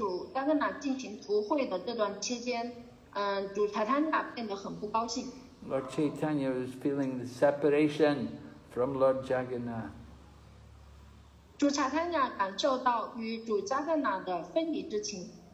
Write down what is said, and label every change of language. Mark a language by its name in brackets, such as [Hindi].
[Chinese] 对，当主迦格纳被带走，这个祭司给他们给主迦格纳进行涂绘的这段期间。 [English] Lord Chaitanya was feeling the separation from Lord Jagannath. [Chinese] 主查坦雅感受到与主迦格纳的分离之情。